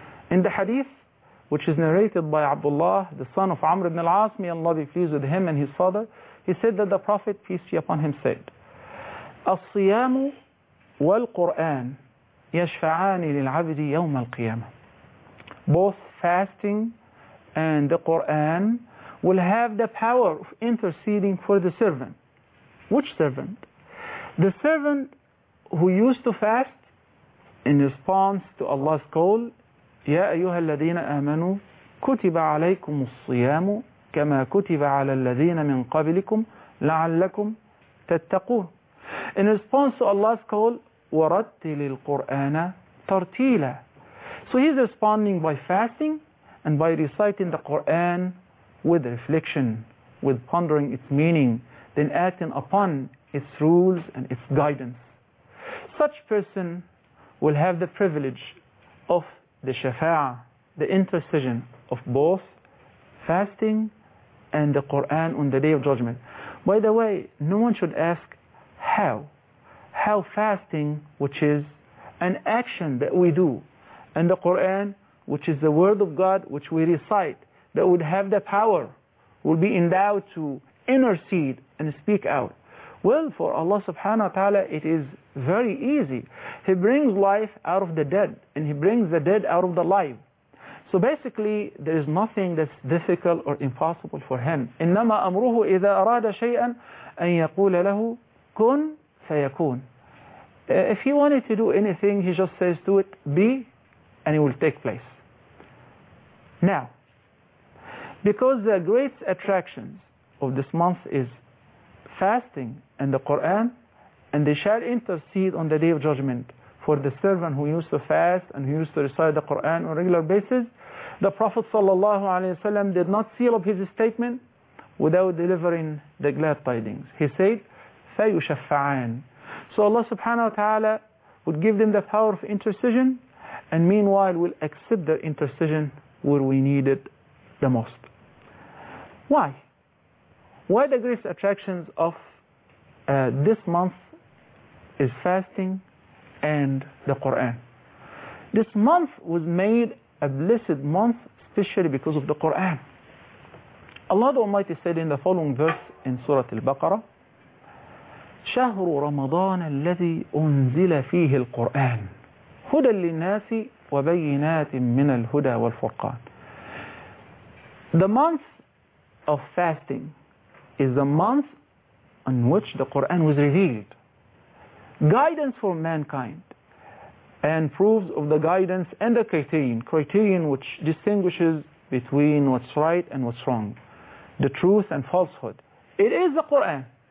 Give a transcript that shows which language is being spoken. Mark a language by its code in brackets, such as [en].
[en] In the hadith, which is narrated by Abdullah, the son of Amr ibn al-As, may Allah be pleased with him and his father, he said that the Prophet, peace be upon him, said, [ar] الصيام والقرآن يشفعان للعبد يوم القيامة. [en] Both fasting and the Quran will have the power of interceding for the servant. Which servant? The servant who used to fast in response to Allah's call, [ar] يَا أَيُّهَا الَّذِينَ آمَنُوا كُتِبَ عَلَيْكُمُ الصِّيَامُ كَمَا كُتِبَ عَلَى الَّذِينَ مِنْ قَبْلِكُمْ لَعَلَّكُمْ تَتَّقُوهُ. [en] In response to Allah's call, [ar] وَرَتِّلِ الْقُرْآنَ تَرْتِيلًا. [en] So he's responding by fasting and by reciting the Quran with reflection, with pondering its meaning, then acting upon its rules and its guidance. Such person will have the privilege of the shafa'ah, the intercession of both fasting and the Quran on the Day of Judgment. By the way, no one should ask how. How fasting, which is an action that we do, and the Quran, which is the word of God which we recite, that would have the power will be endowed to intercede and speak out? Well, for Allah subhanahu wa ta'ala, it is very easy. He brings life out of the dead, and He brings the dead out of the life. So basically, there is nothing that's difficult or impossible for Him. [ar] إِنَّمَا أَمْرُهُ إِذَا أَرَادَ شَيْئًا أَن يَقُولَ لَهُ كُنْ فَيَكُونَ. [en] If He wanted to do anything, He just says to it, be, and it will take place. Now, because the great attraction of this month is fasting and the Quran, and they shall intercede on the Day of Judgment for the servant who used to fast and who used to recite the Quran on a regular basis, the Prophet ﷺ did not seal up his statement without delivering the glad tidings. He said, فَيُشَفَّعَانَ. So Allah subhanahu wa ta'ala would give them the power of intercession, and meanwhile will accept their intercession where we need it the most. Why? Why the greatest attractions of this month is fasting and the Quran? This month was made a blessed month, especially because of the Quran. Allah the Almighty said in the following verse in Surah Al-Baqarah, [ar] شهر رمضان الذي أنزل فيه القرآن هدى للناس وبينات من الهدى والفرقان. [en] The month of fasting is the month on which the Quran was revealed. Guidance for mankind and proofs of the guidance and the criterion which distinguishes between what's right and what's wrong, the truth and falsehood. It is the Quran.